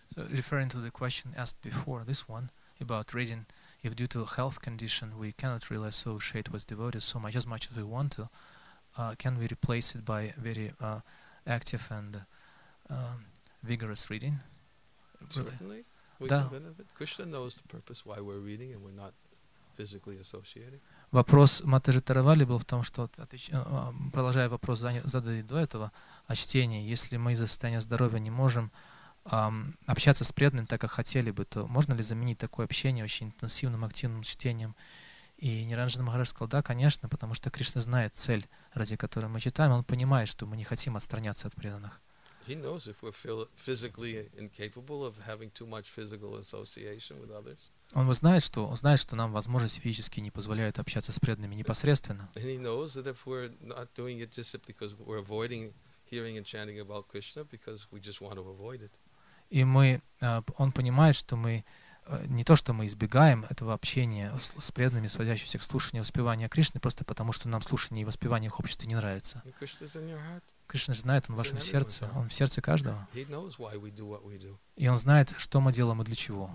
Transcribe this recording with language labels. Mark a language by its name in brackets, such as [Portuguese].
[English] Referring to the question asked before, this one about reading, if due to health condition we cannot really associate with devotees so much as we want to, can we replace it by very active and vigorous reading? Certainly, we can benefit. Krishna knows the purpose why we're reading and we're not physically associating. [Russian] Вопрос Матриши Таравали был в том, что, продолжая вопрос, заданный до этого, о чтении, если мы из-за состояния здоровья не можем общаться с преданным так, как хотели бы, то можно ли заменить такое общение очень интенсивным, активным чтением? И Ниранджана Махарадж сказал, да, конечно, потому что Кришна знает цель, ради которой мы читаем, он понимает, что мы не хотим отстраняться от преданных. [English] He knows if we're physically incapable of having too much physical association with others. [Russian] Он знает, что нам возможности физически не позволяют общаться с преданными непосредственно. [English] And he knows that if we're not doing it just because we're avoiding hearing and chanting about Krishna because we just want to avoid it. [Russian] И мы, он понимает, что мы не то, что мы избегаем этого общения с преданными, сводящихся к слушанию и воспеванию Кришны, просто потому что нам слушание и воспевание в обществе не нравится. Кришна же знает, он в вашем сердце, он в сердце каждого. И он знает, что мы делаем и для чего.